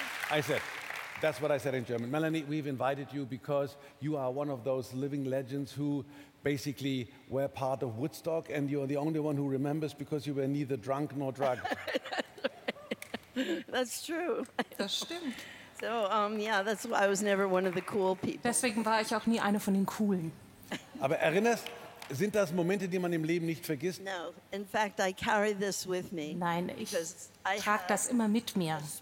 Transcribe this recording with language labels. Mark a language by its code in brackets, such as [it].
[en] I said, that's what I said in German. Melanie, we've invited you because you are one of those living legends who basically were part of Woodstock, and you're the only one who remembers because you were neither drunk nor drugged. That's true. [de] Das stimmt. [en] So, yeah, that's why I was never one of the cool people. [de] Deswegen war ich auch nie eine von den Coolen. Aber erinnerst? Sind das Momente, die man im Leben nicht vergisst? [en] No, in fact, I carry this with me. [de] Nein, ich trage das immer mit mir.